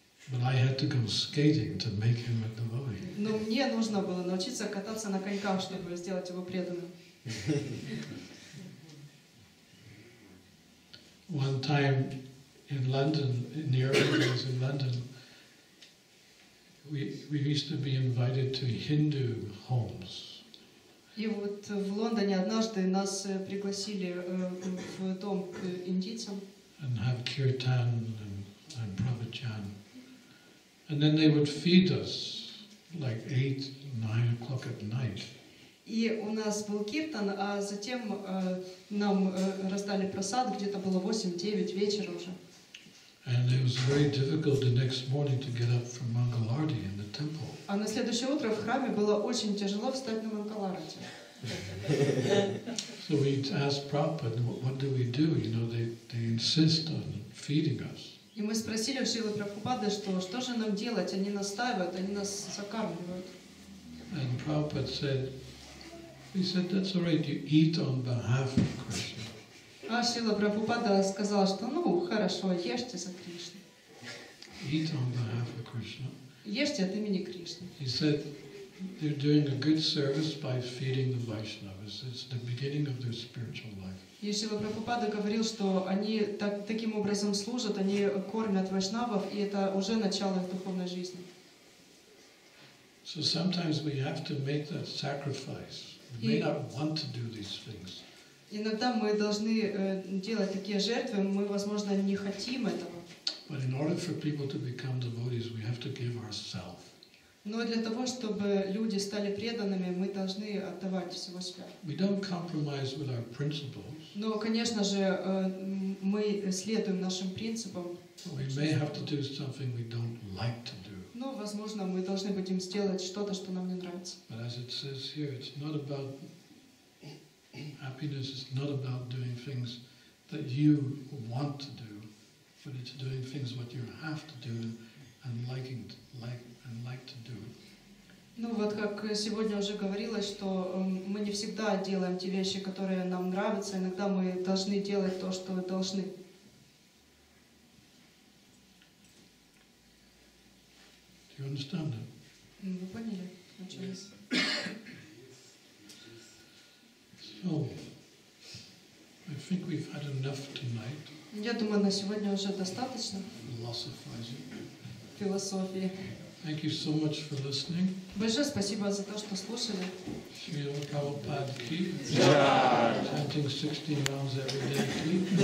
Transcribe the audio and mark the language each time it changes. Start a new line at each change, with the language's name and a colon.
English: But I had to go skating to make him a devotee.
Russian: Но мне нужно было научиться кататься на коньках, чтобы сделать его преданным.
English: One time in London, in the early days in London, we used to be invited to Hindu homes.
Russian: И вот в Лондоне однажды нас пригласили в дом к индийцам.
English: And have kirtan and pravachan. And then they would feed us like 8-9 o'clock at night.
Russian: И у нас был киртан, а затем нам раздали просад, где-то было 8-9 вечера уже.
English: And it was very difficult the next morning to get up from Mangalarti in the temple.
Russian: А на следующее утро в храме было очень тяжело встать на Мангаларти.
English: So we asked Prabhupada, what do we do? You know, they insist on feeding us.
Russian: И мы спросили у Шрилы Прабхупады, что же нам делать? Они настаивают, они нас закармливают.
English: And Prabhupada said, he said, that's all right, you eat on behalf of Krishna.
Russian: А Шрила Прабхупада сказала, что ну хорошо, ешьте за Кришну.
English: Eat on behalf of Krishna.
Russian: Ешьте от имени Кришны.
English: He said, they're doing a good service by feeding the Vaishnavas. It's the beginning of their spiritual life.
Russian: И Шрила Прабхупада говорил, что они таким образом служат, они кормят вайшнавов, и это уже начало их духовной жизни.
English: So sometimes we have to make that sacrifice. We may not want to do these things.
Russian: Иногда мы должны делать такие жертвы, мы, возможно, не хотим этого.
English: But in order for people to become devotees, we have to give ourselves.
Russian: Но для того, чтобы люди стали преданными, мы должны отдавать всего себя.
English: We don't compromise with our principles.
Russian: Но, конечно же, мы следуем нашим принципам.
English: We may have to do something we don't like to do.
Russian: Но, возможно, мы должны будем сделать что-то, что нам не нравится.
English: But as it says here, it's not about happiness. It's not about doing things that you want to do, but it's doing things what you have to do and liking to, like. And like to do.
Russian: Ну вот как сегодня уже говорилось, что мы не всегда делаем те вещи, которые нам нравятся. Иногда мы должны делать то, что должны.
English: Do you understand that?
Russian: Вы поняли, о чем я?
English: So, I think we've had enough tonight.
Russian: Я думаю, на сегодня уже достаточно.
English: Philosophizing.
Russian: Философии.
English: Thank you so much for listening.
Russian: Большое спасибо за то, что слушали. Шрила Прабхупада ки. Джай.
English: Chanting 16 rounds every day.